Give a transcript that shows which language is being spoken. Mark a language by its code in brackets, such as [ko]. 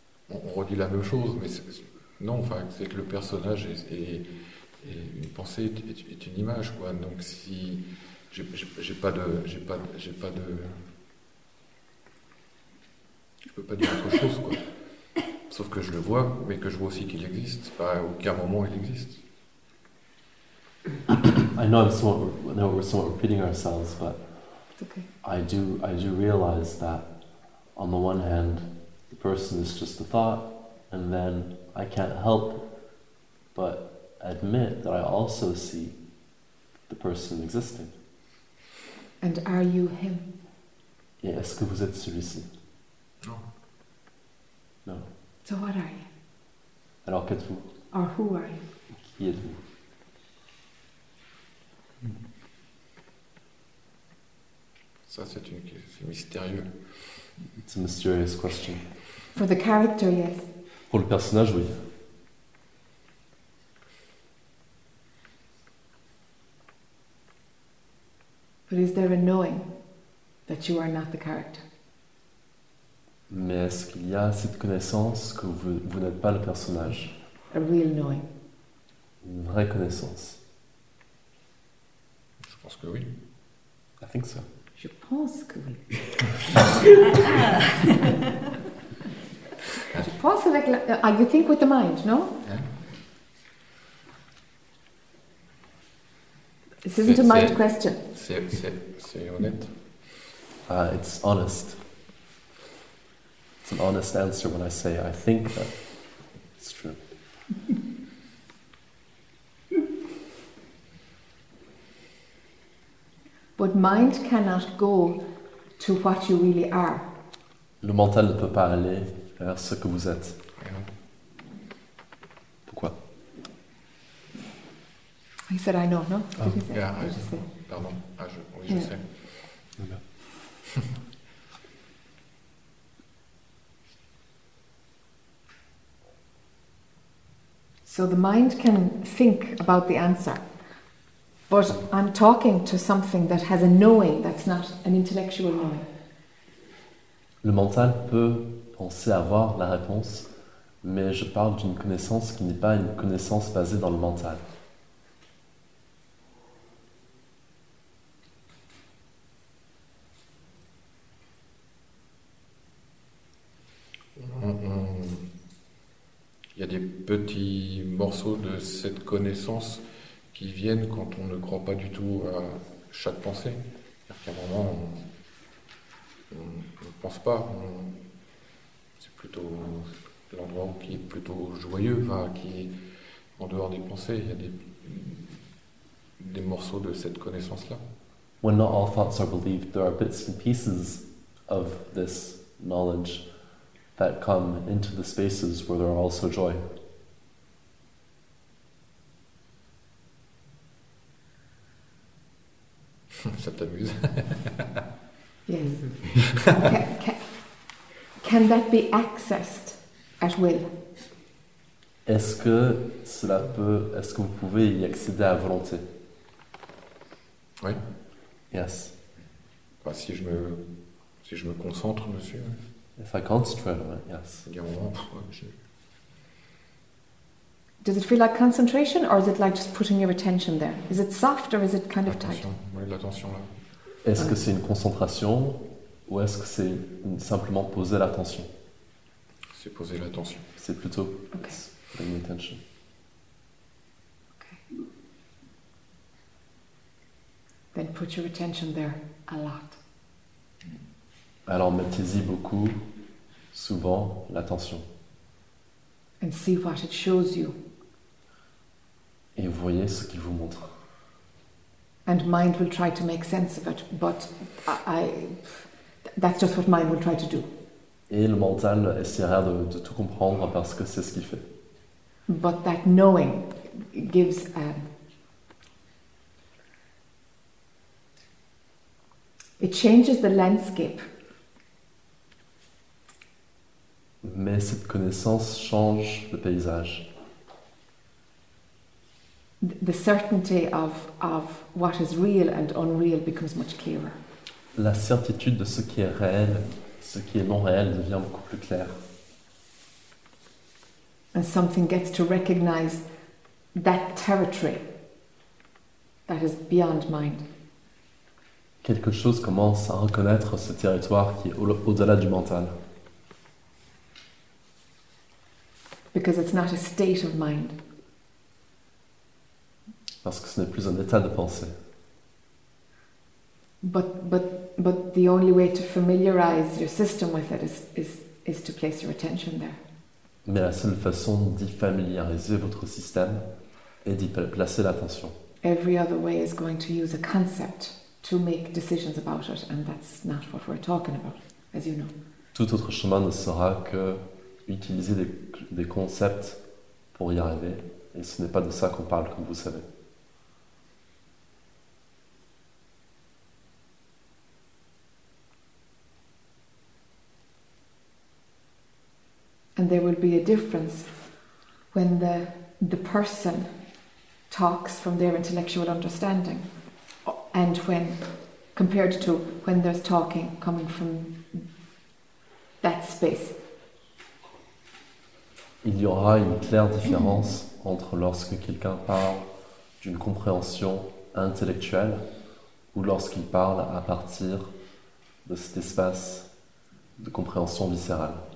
[fr] On redit la même chose, mais c'est que le personnage est une pensée, est une image, quoi. Donc si j'ai pas de, je peux pas dire autre chose, quoi. Sauf que je le vois, mais que je vois aussi qu'il existe. Pas à aucun moment il existe. [en] I know we're sort of repeating ourselves, but okay. I do realize that on the one hand, the person is just a thought, and then I can't help but admit that I also see the person existing. And are you him? [fr] Et est-ce que vous êtes celui-ci? [en] No. No. So what are you? [fr] Alors qu'êtes-vous? [en] Or who are you? [fr] Qui êtes-vous? Ça, c'est mystérieux. [en] It's a mysterious question. For the character, yes. [fr] Pour le personnage, oui. [en] But is there a knowing that you are not the character? [fr] Mais est-ce qu'il y a cette connaissance que vous n'êtes pas le personnage? [en] A real knowing. [fr] Une vraie connaissance. Je pense que oui. [en] I think so. [fr] Je pense que oui. Je pense avec la... [en] you think with the mind, no? Yeah. This isn't a mind question. [fr] C'est honnête. [en] It's honest. It's an honest answer when I say I think that it's true. But mind cannot go to what you really are. [fr] Le mental ne peut pas aller vers ce que vous êtes. Pourquoi? [en] He said, I know, no? [fr] Je sais. [en] So the mind can think about the answer. But I'm talking to something that has a knowing that's not an intellectual knowing. [fr] Le mental peut penser avoir la réponse, mais je parle d'une connaissance qui n'est pas une connaissance basée dans le mental. Il y a des petits morceaux de cette connaissance qui viennent quand on ne croit pas du tout à chaque pensée. C'est-à-dire qu'à un moment, on ne pense pas. C'est plutôt l'endroit qui est plutôt joyeux, enfin, qui est en dehors des pensées. Il y a des morceaux de cette connaissance-là. [en] when not all thoughts are believed, there are bits and pieces of this knowledge that come into the spaces where there are also joy. [fr] Ça t'amuse. [en] Yes. Can that be accessed at will? [fr] Est-ce que vous pouvez y accéder à volonté? Oui. [en] Yes. [fr] Ben, si je me concentre, monsieur. [en] If I concentrate, yes. [fr] Il y a un moment, je... [en] Does it feel like concentration, or is it like just putting your attention there? Is it soft, or is it kind of tight? [fr] Oui, l'attention là. Est-ce que c'est une concentration, ou est-ce que c'est simplement poser l'attention? C'est poser l'attention. C'est plutôt. [en] Okay. Putting attention. Okay. Then put your attention there a lot. [fr] Alors mettez-y beaucoup, souvent, l'attention. [en] And see what it shows you. [fr] Et voyez ce qu'il vous montre. [en] And mind will try to make sense of it, but that's just what mind will try to do. [fr] Et le mental essaiera de tout comprendre parce que c'est ce qu'il fait. [en] But that knowing gives a... It changes the landscape. [fr] Mais cette connaissance change le paysage. [en] The certainty of what is real and unreal becomes much clearer. [fr] La certitude de ce qui est réel, ce qui est non réel devient beaucoup plus claire. [en] And something gets to recognize that territory that is beyond mind. [fr] Quelque chose commence à reconnaître ce territoire qui est au-delà du mental. [en] Because it's not a state of mind. [fr] Parce que ce n'est plus un état de pensée. [en] But the only way to familiarize your system with it is to place your attention there. [fr] Mais la seule façon d'y familiariser votre système est d'y placer l'attention. [en] Every other way is going to use a concept to make decisions about it, and that's not what we're talking about, as you know. [fr] Tout autre chemin ne sera que utiliser des concepts pour y arriver, et ce n'est pas de ça qu'on parle, comme vous savez. [en] And there will be a difference when the person talks from their intellectual understanding, and when compared to when there's talking coming from that space. [fr] Il y aura une claire différence entre lorsque quelqu'un parle d'une compréhension intellectuelle ou lorsqu'il parle à partir de cet espace de compréhension viscérale.